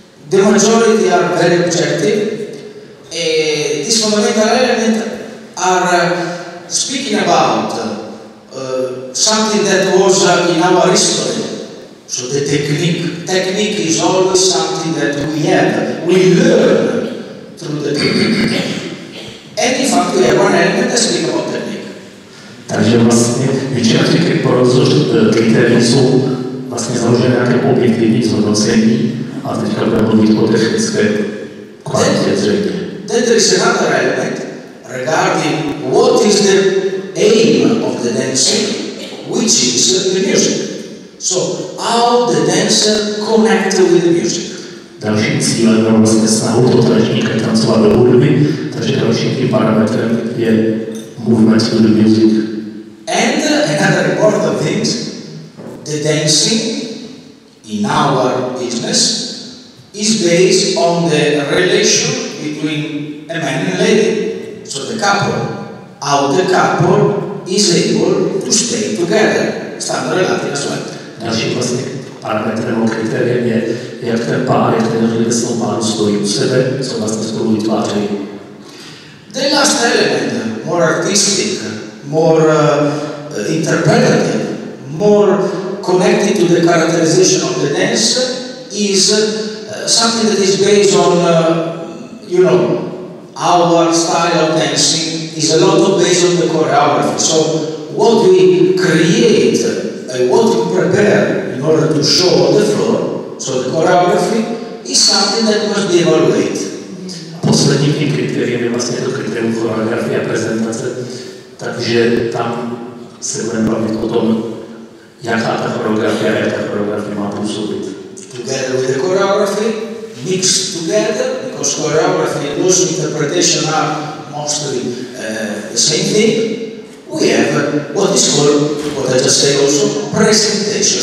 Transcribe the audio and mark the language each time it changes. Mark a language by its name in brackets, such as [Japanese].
[English] The majority are very objective. These fundamental elements are speaking about something that was in our history. So the technique is always something that we have, we learn through the technique. And in fact, we have one element that speaks about technique. [Czech] Takže vlastně většina těch kritérií jsou vlastně založené nějaké objektivní zhodnocení a teďka budeme mluvit o technické kvalitě zřejmě. [English] Then there is another element regarding what is the aim of the dancing, which is the music. So, how the dancer connects with the music. [Czech] Dalším cílem je vlastně snahu toho tanečníka tancovat do hudby, takže dalším tím parametrem je [English] movement to the music. And another important thing, the dancing in our business is based on the relation between a man and a lady, so the couple, how the couple is able to stay together, stand related as well. [Czech] Dalším vlastně parametrem, kritériem je, jak ten pán, jak ten nebeský pán stojí u sebe, co vlastně spolu vytváří. [English] The last element, more artistic, more interpretative, more connected to the characterization of the dance, is something that is based on, you know, our style of dancing is a lot of based on the choreography. So what we create and what we prepare in order to show on the floor, so the choreography, is something that must be evaluated. [Czech] Posledním tím kritériem je vlastně to kritérium choreografie a prezentace, takže tam se budeme bavit o tom, jaká ta choreografie a jak ta choreografie má působit. [English] Together with the choreography, mixed together, because choreography and loose interpretation are mostly the same thing, we have what is called, what I just say also, presentation.